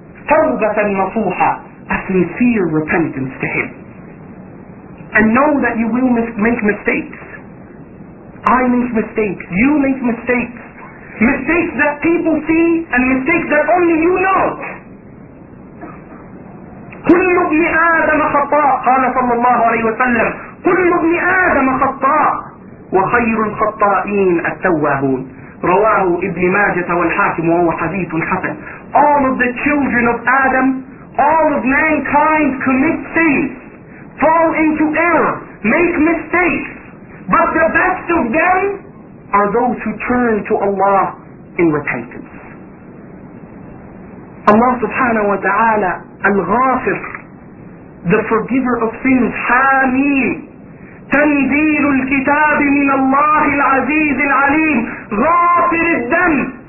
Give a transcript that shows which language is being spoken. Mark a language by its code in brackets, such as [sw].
[ar] تَوْبَةً نَصُوحًا [en] A sincere repentance to Him. And know that you will make mistakes. I make mistakes. You make mistakes. Mistakes that people see and mistakes that only you know. [ar] كل ابن آدم خطاء قال صلى الله عليه وسلم كل ابن آدم خطاء وخير الخطائين التوابون رواه ابن ماجة والحاكم وهو حديث حسن [en] All of the children of Adam, all of mankind commit sins, fall into error, make mistakes. But the best of them are those who turn to Allah in repentance. [ar] Allah subhanahu wa ta'ala الغافر [en] the forgiver of sins [ar] حاميم تنزيل الكتاب من الله العزيز العليم غافر الذنب